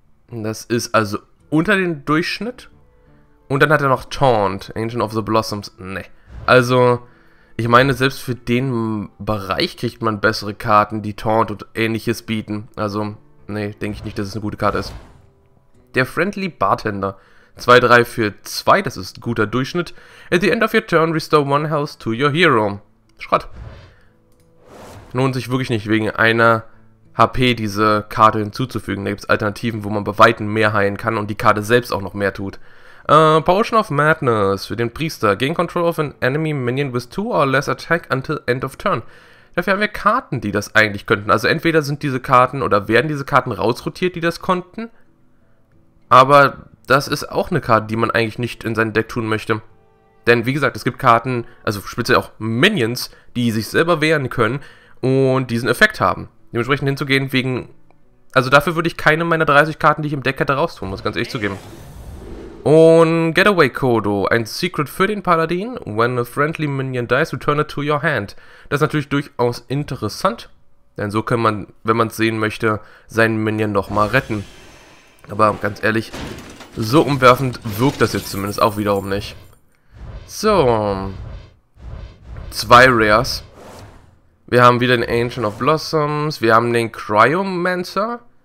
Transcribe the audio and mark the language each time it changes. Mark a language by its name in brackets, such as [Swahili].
[German] Das ist also unter dem Durchschnitt. Und dann hat er noch Taunt, Ancient of the Blossoms. Ne. Also, ich meine, selbst für den Bereich kriegt man bessere Karten, die Taunt und ähnliches bieten. Also, ne, denke ich nicht, dass es eine gute Karte ist. Der Friendly Bartender. 2, 3 für 2, das ist guter Durchschnitt. [English] At the end of your turn, restore one health to your hero. [German] Schrott. Lohnt sich wirklich nicht, wegen einer HP diese Karte hinzuzufügen. Da gibt es Alternativen, wo man bei Weitem mehr heilen kann und die Karte selbst auch noch mehr tut. Potion of Madness für den Priester. [English] Gain control of an enemy minion with 2 or less attack until end of turn. [German] Dafür haben wir Karten, die das eigentlich könnten. Also entweder sind diese Karten oder werden diese Karten rausrotiert, die das konnten. Aber das ist auch eine Karte, die man eigentlich nicht in sein Deck tun möchte. Denn wie gesagt, es gibt Karten, also speziell auch Minions, die sich selber wehren können und diesen Effekt haben. Dementsprechend hinzugehen wegen... Also dafür würde ich keine meiner 30 Karten, die ich im Deck hätte, raustun, muss ganz ehrlich zugeben. Und Getaway Kodo, ein Secret für den Paladin. [English] When a friendly minion dies, return it to your hand. [German] Das ist natürlich durchaus interessant. Denn so kann man, wenn man es sehen möchte, seinen Minion nochmal retten. Aber ganz ehrlich, so umwerfend wirkt das jetzt zumindest auch wiederum nicht. So. 2 Rares. Wir haben wieder den Ancient of Blossoms. Wir haben den Cryomancer.